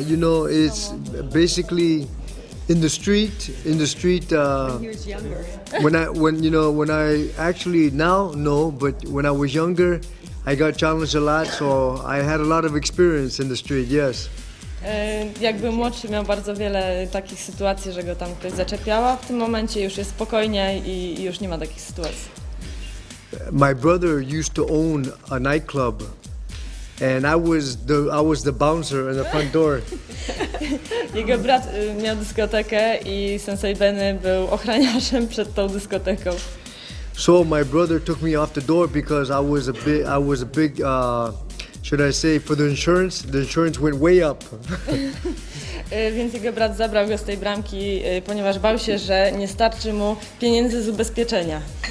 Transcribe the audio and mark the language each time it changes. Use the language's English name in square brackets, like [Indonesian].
[English] You know, it's someone basically in the street. When he was younger. But when I was younger, I got challenged a lot, so I had a lot of experience in the street. Yes. [Polish] Jakby młodszy miał bardzo wiele takich sytuacji, że go tam ktoś zaczepiała. W tym momencie już jest spokojnie i już nie ma takich sytuacji. [English] My brother used to own a nightclub. And I was the bouncer in the front door. [Polish] Jego brat miał dyskotekę i Sensei Benny był ochraniarzem przed tą dyskoteką. [English] So my brother took me off the door because I was a big should I say for the insurance went way up. [Polish] Więc jego brat zabrał go z tej bramki, ponieważ bał się, że nie starczy mu pieniędzy z ubezpieczenia.